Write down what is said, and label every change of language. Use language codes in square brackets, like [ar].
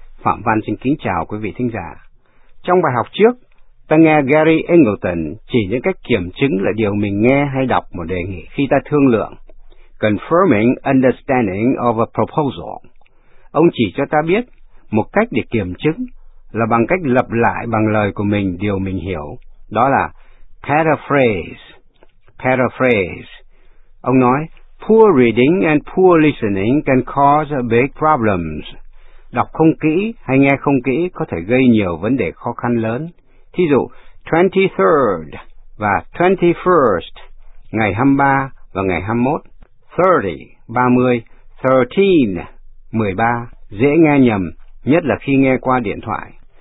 [vi] Phạm Văn xin kính chào quý vị thính giả. Trong bài học trước, ta nghe Gary Engleton chỉ những cách kiểm chứng là điều mình nghe hay đọc một đề nghị khi ta thương lượng. [en] Confirming understanding of a proposal. [vi] Ông chỉ cho ta biết một cách để kiểm chứng là bằng cách lặp lại bằng lời của mình điều mình hiểu. Đó là paraphrase. Paraphrase. Ông nói, [en] poor reading and poor listening can cause big problems. [vi] Đọc không kỹ hay nghe không kỹ có thể gây nhiều vấn đề khó khăn lớn. Thí dụ, 23rd và 21st, ngày 23 và ngày 21, 30, 30, 13, 13, dễ nghe nhầm, nhất là khi nghe qua điện thoại.